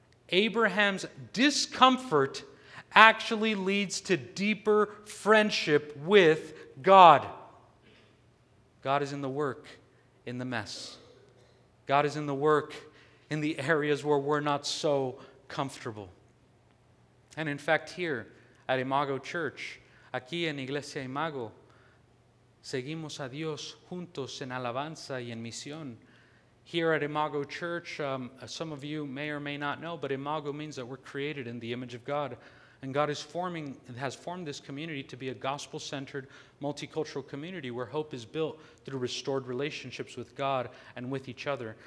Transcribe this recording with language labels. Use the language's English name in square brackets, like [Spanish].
[English] Abraham's discomfort actually leads to deeper friendship with God. God is in the work in the mess. God is in the work in the areas where we're not so comfortable. And in fact, here at Imago Church, [Spanish] aquí en Iglesia Imago, seguimos a Dios juntos en alabanza y en misión. [English] Here at Imago Church, some of you may or may not know, but Imago means that we're created in the image of God. And God is forming and has formed this community to be a gospel-centered, multicultural community where hope is built through restored relationships with God and with each other.